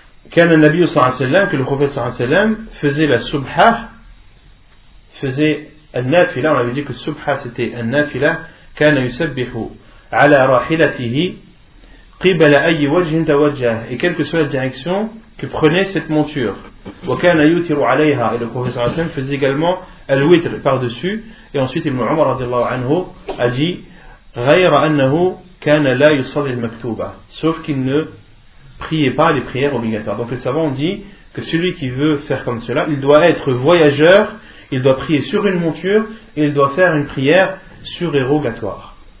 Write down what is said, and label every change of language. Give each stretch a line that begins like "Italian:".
Arabic: كان النبي صلى الله عليه وسلم
French: que le prophète صلى الله عليه وسلم faisait la subha, faisait النافلة. On avait dit que subha c'était النافلة.
Arabic: كان يسبح على راحلته قبل أي وجه توجه,
French: et quelle que soit la direction que prenait cette monture.
Arabic: وكان يوتر عليها,
French: et le prophète صلى الله عليه وسلم faisait également الوتر par dessus. Et ensuite Ibn Umar رضي الله عنه a dit
Arabic: غير أنه كان لا يصلي المكتوبة,
French: sauf qu'il ne priez pas les prières obligatoires. Donc les savants ont dit que celui qui veut faire comme cela, il doit être voyageur, il doit prier sur une monture et il doit faire une prière surérogatoire.